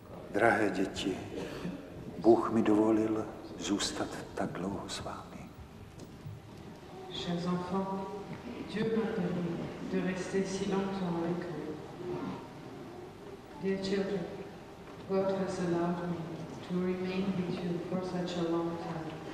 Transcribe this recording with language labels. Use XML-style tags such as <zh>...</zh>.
<cs>Drahé děti, Bůh mi dovolil zůstat tak dlouho s vámi.</cs> <fr>Chers enfants, Dieu m'a permis de rester si longtemps avec vous.</fr> <en>Dear children, God has allowed me to remain with you for such a long time.</en>